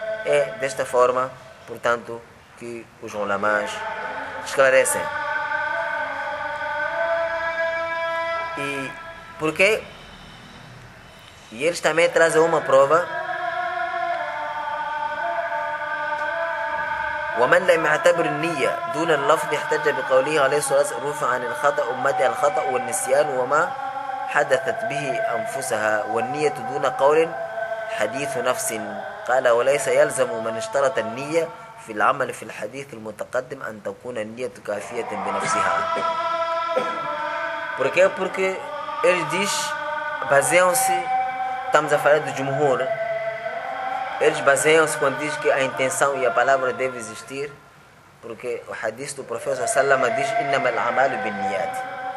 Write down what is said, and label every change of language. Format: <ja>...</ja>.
<pt>É desta forma, portanto, que os ulamás esclarecem. E porquê? E eles também trazem uma prova.</pt> <ar>ومن لم يعتبر النية دون اللفظ احتج بقوله عليه الصلاة والسلام رفع عن الخطأ أمتي الخطأ والنسيان وما حدثت به أنفسها والنية دون قول حديث نفس قال وليس يلزم من اشترط النية في العمل في الحديث المتقدم أن تكون النية كافية بنفسها.</ar> <pt>Porque ele diz, baseiam-se, estamos a falar do Jumhur, eles baseiam-se quando diz que a intenção e a palavra devem existir, porque o hadith do Profeta Sallama diz:</pt> <ar>Innama al-amalu bin-niyyat.</ar>